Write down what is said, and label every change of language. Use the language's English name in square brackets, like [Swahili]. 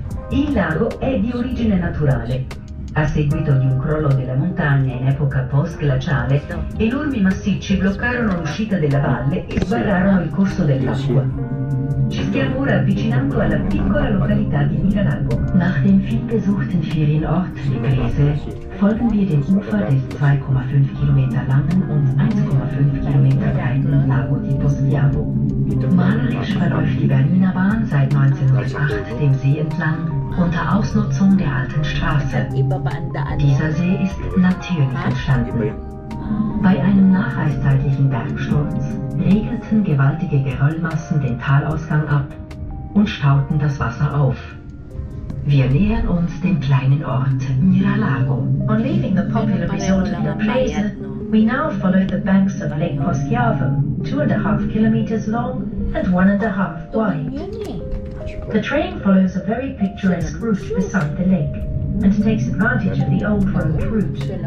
[Italian] Il lago è di origine naturale. A seguito di un crollo della montagna in epoca post-glaciale, enormi massicci bloccarono l'uscita della valle e sbarrarono il corso dell'acqua. Ci stiamo ora avvicinando alla piccola località di Miralago. [German] Nach dem viel gesuchten Ferienort Le Prese, folgen wir dem Ufer des 2,5 Kilometer langen und 1,5 Kilometer breiten Lago di Poschiavo. Malerisch verläuft die Bernina Bahn seit 1908 dem See entlang, unter Ausnutzung der alten Straße. Dieser See ist natürlich entstanden. Bei einem nachweiszeitlichen Bergsturz regelten gewaltige Geröllmassen den Talausgang ab und stauten das Wasser auf. Wir nähern uns dem kleinen Ort Miralago. [English] On leaving the popular resort of Le Prese, we now follow the banks of Lake Poschiavo, 2.5 kilometers long and 1.5 wide. The train follows a very picturesque route beside the lake and takes advantage of the old road route.